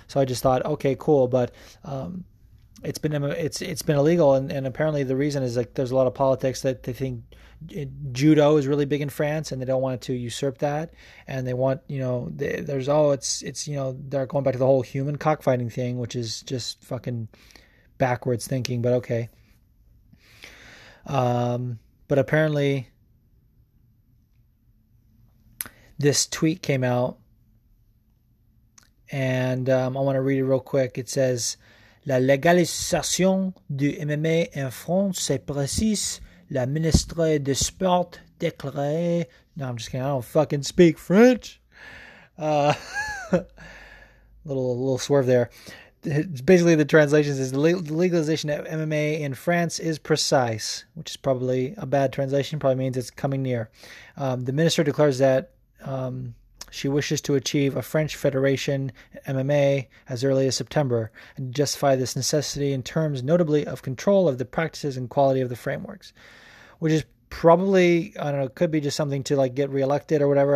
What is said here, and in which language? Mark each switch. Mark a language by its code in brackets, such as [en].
[en] So I just thought, okay, cool. But it's been illegal, and apparently the reason is like there's a lot of politics that they think judo is really big in France, and they don't want it to usurp that, and they want, you know, there's oh, it's you know, they're going back to the whole human cockfighting thing, which is just fucking backwards thinking, but okay. But apparently this tweet came out, and I want to read it real quick. It says, [fr] "La légalisation du MMA en France se précise, la ministre de Sport déclarait." [en] No, I'm just kidding. I don't fucking speak French. little swerve there. Basically, the translation is the legalization of MMA in France is precise, which is probably a bad translation. Probably means it's coming near. The minister declares that she wishes to achieve a French Federation MMA as early as September and justify this necessity in terms notably of control of the practices and quality of the frameworks, which is probably, I don't know, could be just something to like get reelected or whatever.